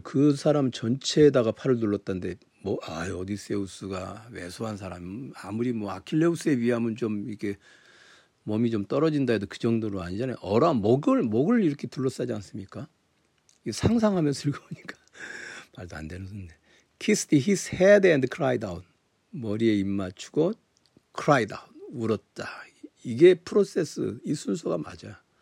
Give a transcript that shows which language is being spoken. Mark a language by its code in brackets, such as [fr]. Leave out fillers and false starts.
[ko] 그 사람 전체에다가 팔을 둘렀다는데 뭐 아이 오디세우스가 왜소한 사람 아무리 뭐 아킬레우스에 비하면 좀 이렇게 몸이 좀 떨어진다 해도 그 정도로 아니잖아요. 어라 목을 이렇게 둘러싸지 않습니까? 이거 상상하면 즐거우니까 말도 안 되는 건데. [en] Kissed his head and cried out. [ko] 머리에 입 맞추고 [en] cried out. [ko] 울었다. 이게 프로세스, 이 순서가 맞아.